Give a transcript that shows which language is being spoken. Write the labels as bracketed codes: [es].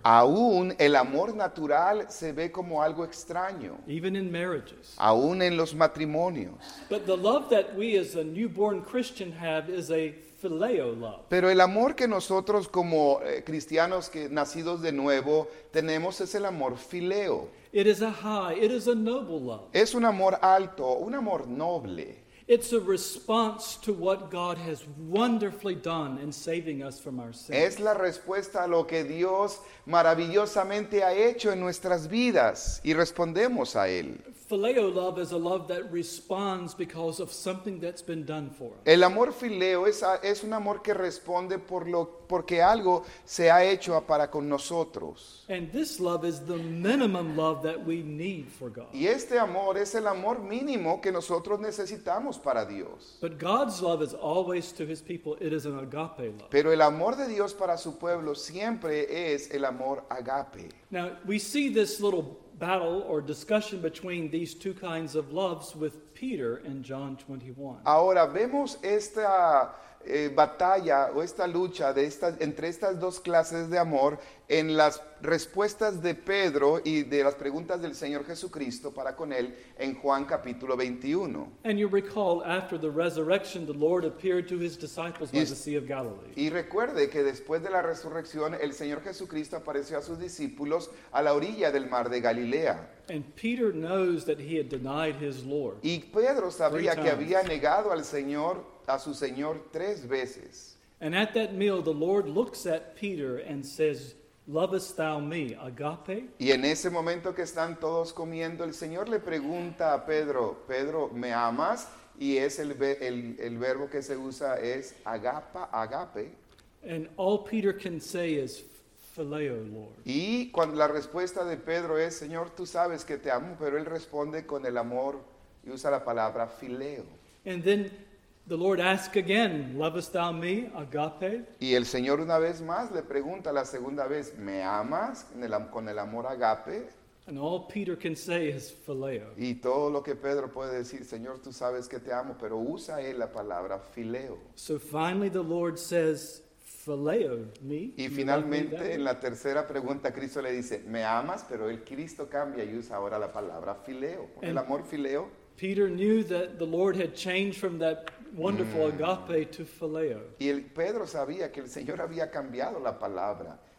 [es] Aún el amor natural se ve como algo extraño. [en] Even in marriages. [es] Aún en los matrimonios. [en] But the love that we as a newborn Christian have is a phileo love. [es] Pero el amor que nosotros como cristianos que nacidos de nuevo tenemos es el amor phileo. [en] It is a high, it is a noble love. [es] Es un amor alto, un amor noble. [en] It's a response to what God has wonderfully done in saving us from our sins. [es] Es la respuesta a lo que Dios maravillosamente ha hecho en nuestras vidas y respondemos a Él. [en] Phileo love is a love that responds because of something that's been done for us. [es] El amor phileo es un amor que responde porque algo se ha hecho para con nosotros. [en] And this love is the minimum love that we need for God. [es] Y este amor es el amor mínimo que nosotros necesitamos para Dios. [en] But God's love is always to his people. It is an agape love. [es] Pero el amor de Dios para su pueblo siempre es el amor agape. [en] Now, we see this little battle or discussion between these two kinds of loves with Peter in John 21. [es] Ahora vemos esta batalla o esta lucha de entre estas dos clases de amor en las respuestas de Pedro y de las preguntas del Señor Jesucristo para con él en Juan capítulo 21. [en] And you recall after the resurrection the Lord appeared to his disciples by the Sea of Galilee. [es] Y recuerde que después de la resurrección el Señor Jesucristo apareció a sus discípulos a la orilla del mar de Galilea. [en] And Peter knows that he had denied his Lord. [es] Y Pedro sabía que había negado al Señor a su Señor tres veces. [en] And at that meal the Lord looks at Peter and says, "Lovest thou me, agape?" [es] Y en ese momento que están todos comiendo, el Señor le pregunta a Pedro, "Pedro, ¿me amas?" Y es el verbo que se usa es agapa, agape. [en] And all Peter can say is phileo, Lord. [es] Y cuando la respuesta de Pedro es, "Señor, tú sabes que te amo", pero él responde con el amor y usa la palabra phileo. [en] And then the Lord asks again, "Lovest thou me, agape?" [es] Y el Señor una vez más le pregunta la segunda vez, "¿Me amas?" Con el amor agape. [en] And all Peter can say is phileo. [es] Y todo lo que Pedro puede decir, "Señor, tú sabes que te amo", pero usa él la palabra phileo. [en] So finally the Lord says, "Phileo me?" [es] Y finalmente en la tercera pregunta Cristo le dice, "¿Me amas?" Pero el Cristo cambia y usa ahora la palabra phileo, el amor phileo. [en] Peter knew that the Lord had changed from that wonderful agape to phileo. [es] Y el Pedro sabía que el Señor había cambiado la palabra.